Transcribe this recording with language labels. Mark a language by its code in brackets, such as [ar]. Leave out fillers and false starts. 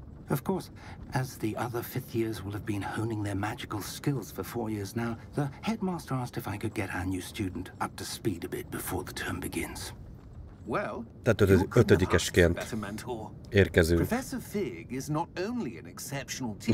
[en] Of course, as the other fifth years will have been honing their magical skills for 4 years now, the headmaster asked if I could get our new student up to speed a bit before the term begins. Well, [hu] ötödikesként érkezünk. [en] Professor Fig is not only an exceptional teacher,